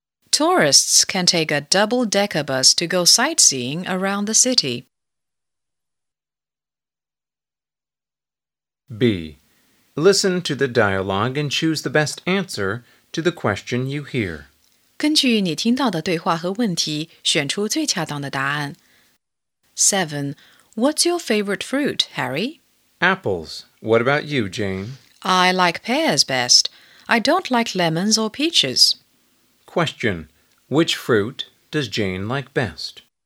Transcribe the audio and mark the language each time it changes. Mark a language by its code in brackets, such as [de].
[en] Tourists can take a double-decker bus to go sightseeing around the city. B. Listen to the dialogue and choose the best answer to the question you hear. [zh] 根据你听到的对话和问题，选出最恰当的答案。 [en] 7. What's your favorite fruit, Harry? Apples. What about you, Jane? I like pears best. I don't like lemons or peaches. Question. Which fruit does Jane like best?